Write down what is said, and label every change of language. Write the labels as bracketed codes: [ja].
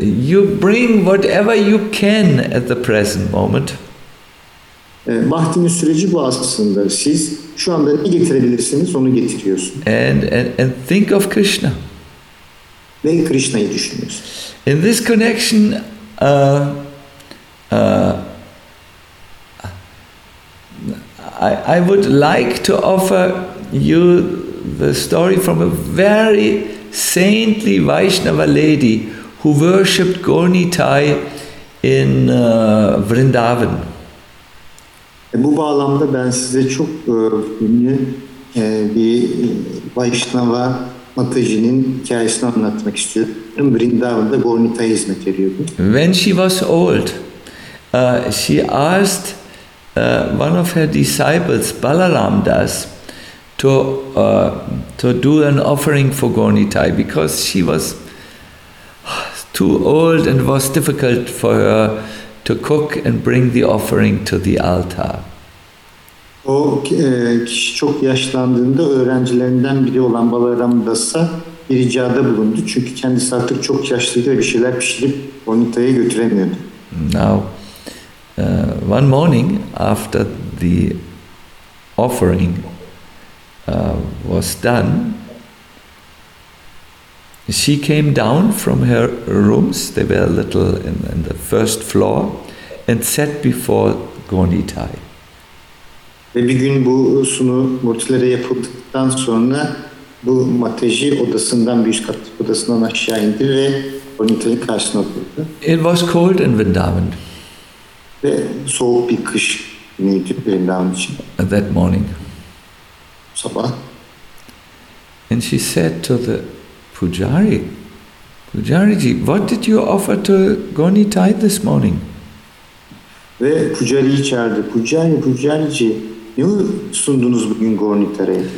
[en] You bring whatever you can at the present moment. [tr] Bhakti'nin süreci bu aslında. Siz şu anda ne getirebilirsiniz onu getiriyorsunuz. [en] And think of Krishna. [tr] Ve Krishna'yı düşünüyorsunuz. [en] In this connection, I would like to offer you the story from a very saintly Vaishnava lady who worshipped Gornitai in Vrindavan. [tr] Bu bağlamda ben size çok ünlü bir Vaishnava Matajinin hikayesini anlatmak istiyorum. Vrindavan'da Gornitai hizmet ediyordu. [en] When she was old, she asked one of her disciples, Balaram Das, to do an offering for Gornitai because she was too old and was difficult for her to cook and bring the offering to the altar. [tr] O kişi çok yaşlandığında öğrencilerinden biri olan Balaram Das'a bir ricada bulundu çünkü kendisi artık çok yaşlıydı ve bir şeyler pişirip Gornitai'ye götüremiyordu. [en] Now, one morning after the offering was done, she came down from her rooms, they were a little in the first floor, and sat before Gornitai. [tr] Ve bir gün bu sunu murtilere yapıldıktan sonra bu mateji odasından bir üst kat odasından aşağı indi ve Gornitai'nin karşısına oturdu. [en] It was cold in Vrindavan. [tr] Ve soğuk bir kış günüydü Vrindavan için. [en] At that morning. [tr] Sabah. [en] And she said to the pujari, "Pujariji, what did you offer to Gornitai this morning?" [tr] Ve pujariyi çağırdı. "Pujari, pujariji, ne sundunuz bugün Gornitai?"